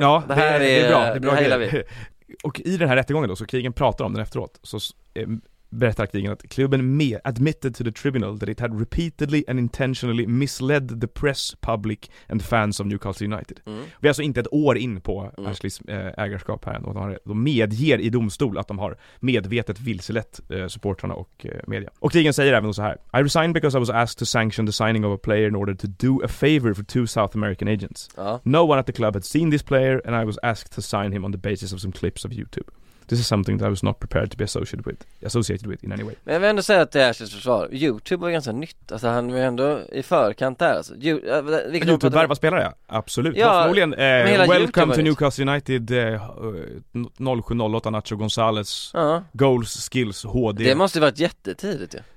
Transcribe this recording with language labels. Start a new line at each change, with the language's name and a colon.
Swedish: Ja, det är bra. Det hejlar vi. Och i den här rättegången då, så krigen pratar om den efteråt, så berättar krigen att klubben
English: admitted to the tribunal that it had repeatedly and intentionally misled the press, public and fans of Newcastle United.
Swedish: Mm. Vi är alltså inte ett år in på Ashleys ägarskap här ändå. De medger i domstol att de har medvetet vilselett supportrarna och media. Och krigen säger även så här:
English: I resigned because I was asked to sanction the signing of a player in order to do a favor for 2 South American agents. No one at the club had seen this player and I was asked to sign him on the basis of some clips of YouTube. This is something that I was not prepared to be associated with in any way.
Swedish: Men jag vill ändå säga att det är Ashleys försvar. YouTube var ganska nytt. Alltså han var ändå i förkant där. Alltså, YouTube värva spelare, ja. Absolut. Ja, förmodligen.
English: Welcome to Newcastle United. 07-08 Nacho González. Goals, skills, HD.
Swedish: Det måste ju varit jättetidigt, ja.